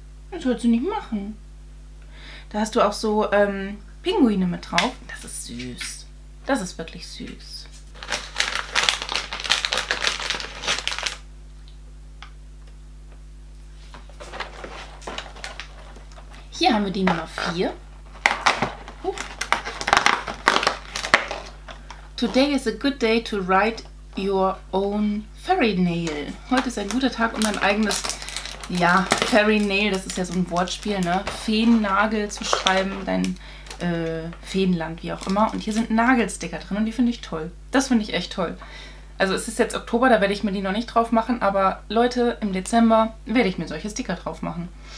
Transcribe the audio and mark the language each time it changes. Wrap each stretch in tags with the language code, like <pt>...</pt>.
<de>Das sollst du nicht machen. Da hast du auch so Pinguine mit drauf. Das ist süß. Das ist wirklich süß. Hier haben wir die Nummer 4.</de> <en>Today is a good day to write your own fairy nail.</en> <de>Heute ist ein guter Tag, um dein eigenes, ja, fairy nail, das ist ja so ein Wortspiel, ne? Feennagel zu schreiben, dein Feenland, wie auch immer. Und hier sind Nagelsticker drin und die finde ich toll. Das finde ich echt toll. Also es ist jetzt Oktober, da werde ich mir die noch nicht drauf machen, aber Leute, im Dezember werde ich mir solche Sticker drauf machen.</de>